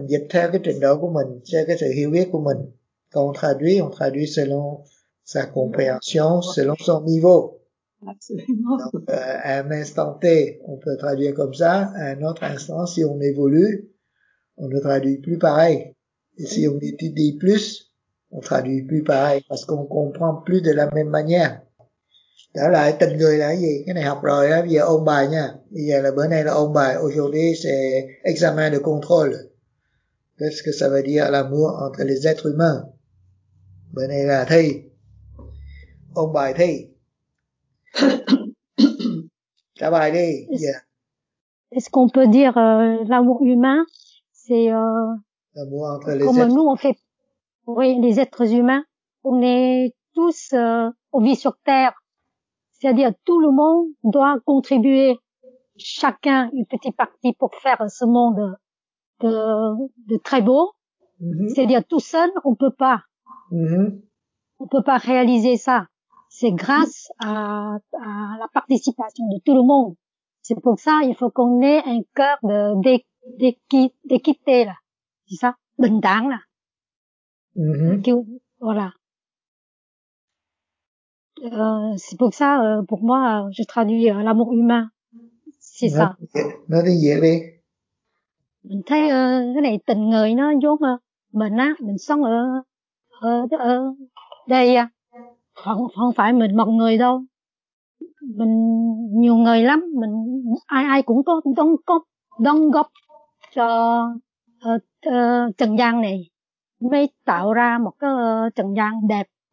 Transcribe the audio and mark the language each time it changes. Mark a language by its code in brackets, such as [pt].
[fr] c'est-à-dire quand on traduit selon sa compréhension, selon son niveau. Absolument. Donc, à un instant T, on peut traduire comme ça. À un autre instant, si on évolue, on ne traduit plus pareil. Et si on étudie plus, on traduit plus pareil parce qu'on comprend plus de la même manière. [vi] Đó là tình người là cái gì, cái này học rồi á, bây giờ ôn bài nha, bây giờ là bữa nay là ôn bài, [fr] aujourd'hui c'est examen de contrôle. Qu'est-ce que ça veut dire l'amour entre les êtres humains? [vi] Bữa nay là thi, ôn bài thi. Trả bài đi. Yeah. [fr] Est-ce qu'on peut dire l'amour humain, c'est l'amour entre les comme êtres... nous on fait, oui, les êtres humains, on est tous, on vit sur Terre. C'est-à-dire tout le monde doit contribuer, chacun une petite partie pour faire ce monde de très beau. Mm-hmm. C'est-à-dire tout seul, on peut pas. Mm-hmm. On peut pas réaliser ça. C'est grâce à la participation de tout le monde. C'est pour ça il faut qu'on ait un cœur d'équité là, c'est ça, [vi] bình đẳng là. Mm-hmm. [fr] Voilà. C'est pour ça, pour moi, je traduis l'amour humain. C'est ça. [vi] Nói tiếng Việt đi. Mình thấy cái này tình người nó giống mình á, mình sống ở đây á. Không phải mình một người đâu. Mình nhiều người lắm, mình ai cũng có đóng góp cho trần gian này mới tạo ra một cái trần gian đẹp.